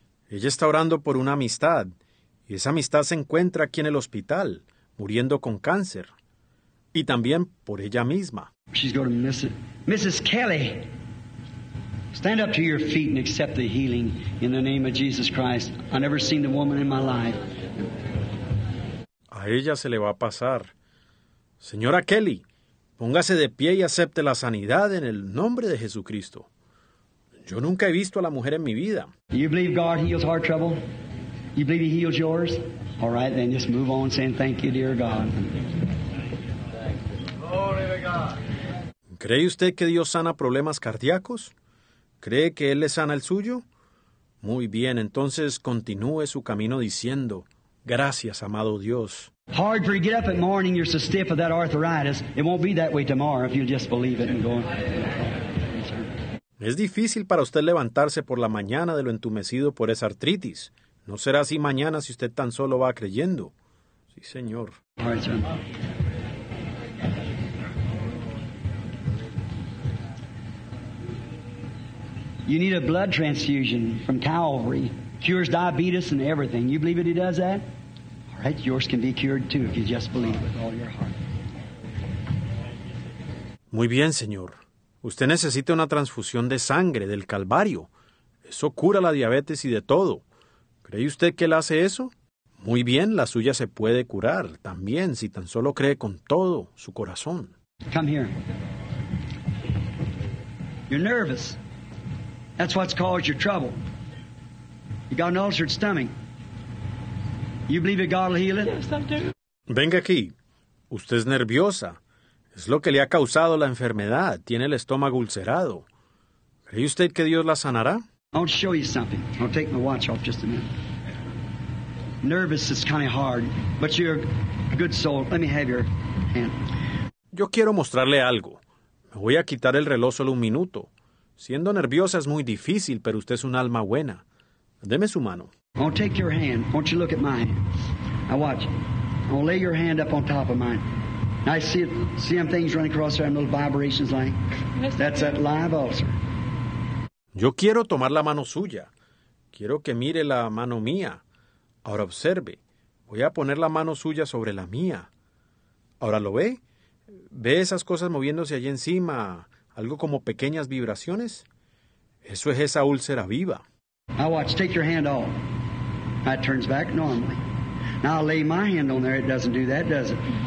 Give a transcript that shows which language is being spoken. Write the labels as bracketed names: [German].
[Spanish] Ella está orando por una amistad. Y esa amistad se encuentra aquí en el hospital, muriendo con cáncer. Y también por ella misma. [English] She's going to miss it. Mrs. Kelly, stand up to your feet and accept the healing in the name of Jesus Christ. I've never seen the woman in my life. [Spanish] A ella se le va a pasar. Señora Kelly, póngase de pie y acepte la sanidad en el nombre de Jesucristo. Yo nunca he visto a la mujer en mi vida. [English] You believe God heals heart trouble? You believe he heals yours? All right, then just move on saying thank you, dear God. [Spanish] ¿Cree usted que Dios sana problemas cardíacos? ¿Cree que Él le sana el suyo? Muy bien, entonces continúe su camino diciendo, gracias, amado Dios. [English] Hard for you to get up in the morning, you're so stiff of that arthritis. It won't be that way tomorrow if you'll just believe it and go on. [Spanish] Es difícil para usted levantarse por la mañana de lo entumecido por esa artritis. No será así mañana si usted tan solo va creyendo. Sí, señor. [English] All right, [Spanish] señor. [English] You need a blood transfusion from Calvary. Cures diabetes and everything. You believe that he does that? All right, yours can be cured too if you just believe with all your heart. [Spanish] Muy bien, señor. Usted necesita una transfusión de sangre del Calvario. Eso cura la diabetes y de todo. ¿Cree usted que él hace eso? Muy bien, la suya se puede curar también si tan solo cree con todo su corazón. [English] Come here. You're nervous. That's what's caused your trouble. You got an ulcered stomach. You believe that God will heal it? Yes, I do. [Spanish] Venga aquí. Usted es nerviosa. Es lo que le ha causado la enfermedad. Tiene el estómago ulcerado. ¿Cree usted que Dios la sanará? [English] I'll show you something. I'll take my watch off just a minute. Nervous is kind of hard, but you're a good soul. Let me have your hand. [Spanish] Yo quiero mostrarle algo. Me voy a quitar el reloj solo un minuto. Siendo nerviosa es muy difícil, pero usted es un alma buena. Deme su mano. [English] I'll take your hand. Won't you look at mine? Now watch. I'll lay your hand up on top of mine. I see it, see them things running across there, little vibrations like. That's that live ulcer. [Spanish] Yo quiero tomar la mano suya. Quiero que mire la mano mía. Ahora observe. Voy a poner la mano suya sobre la mía. ¿Ahora lo ve? ¿Ve esas cosas moviéndose allí encima? ¿Algo como pequeñas vibraciones? Eso es esa úlcera viva. [English] Now watch. Take your hand off. That turns back normally. Now I'll lay my hand on there. It doesn't do that, does it?